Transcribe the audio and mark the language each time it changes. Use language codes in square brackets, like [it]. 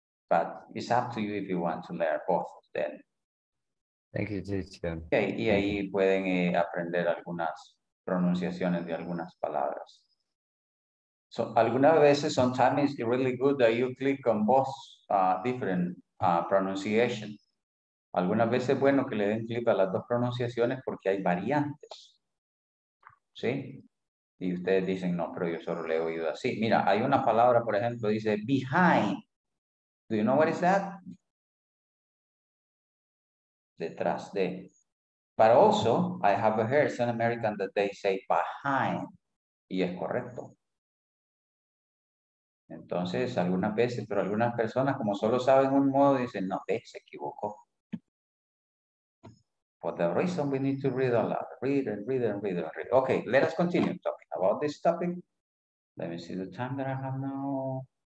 [en] But it's up to you if you want to learn both of them. Thank you, teacher. [es] Okay, y ahí pueden aprender algunas pronunciaciones de algunas palabras. [en] So, [es] algunas veces, [en] sometimes it's really good that you click on both different pronunciation. [es] Algunas veces es bueno que le den clic a las dos pronunciaciones porque hay variantes. ¿Sí? Y ustedes dicen, no, pero yo solo le he oído así. Mira, hay una palabra, por ejemplo, dice behind. [en] Do you know what is that? [es] Detrás de. [en] But also, I have heard some Americans that they say behind. [es] Y es correcto. Entonces, algunas veces, pero algunas personas, como solo saben un modo, dicen, no, se equivocó. [en] For the reason we need to read a lot. Read and read and read and read. Okay, let us continue talking about this topic. Let me see the time that I have now.